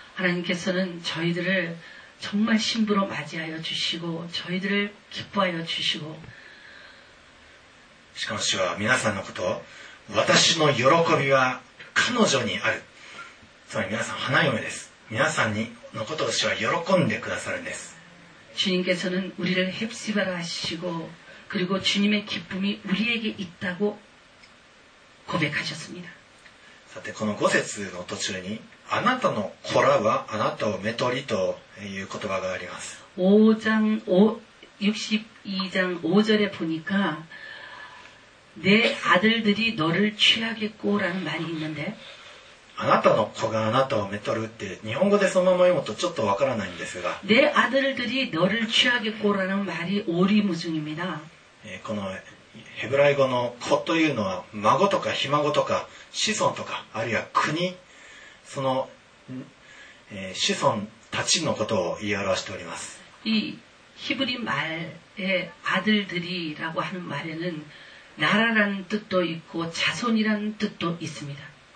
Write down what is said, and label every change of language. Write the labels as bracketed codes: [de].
[ko] 하나님께서는저희들을정말신부로맞이하여주시고저희들을기뻐하여주시고 [ja] しかも主は皆さんのことを私の喜びは彼女にあるつまり皆さん花嫁です皆さんにのことを主は喜んでくださるんです [ko] 주님께서는우리를헵시바라하시고그리고주님의기쁨이우리에게있다고고백하셨습니다 [ja] さてこの5節の途中にあなたの子らはあなたをめとりという言葉があります [ko] 62章5節보니까내아들들이너를취하겠고라는말이있는데 [ja] 아나타노코가아나타오메토르って日本語でそのまま読むとちょっとわからないんですが [ko] 내아들들이너를취하겠고라는말이오리무중입니다 [ja] このヘブライ語の子というのは孫とかひ孫とか子孫とかあるいは国その子孫たちのことを言い表しております [ko] 이 히브리말의아들들이라고하는말에는나라라는뜻도있고자손이라는뜻도있습니다